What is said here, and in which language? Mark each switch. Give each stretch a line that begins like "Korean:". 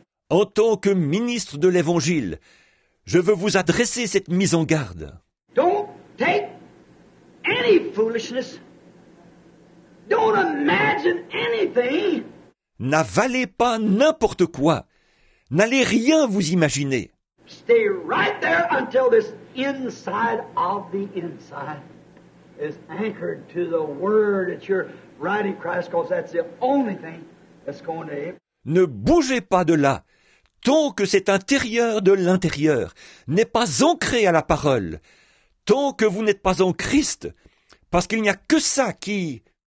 French: En tant que ministre de l'Évangile, je veux vous adresser cette mise en garde.
English: Don't take any foolishness. Don't imagine anything.
French: N'avalez pas n'importe quoi. N'allez rien vous imaginer.
English: Stay right there until this inside of the inside is anchored to the word that you're writing, Christ, because that's the only thing that's going to happen.
French: Ne bougez pas de là, tant que cet intérieur de l'intérieur n'est pas ancré à la parole, tant que vous n'êtes pas en Christ, parce qu'il n'y a que ça qui...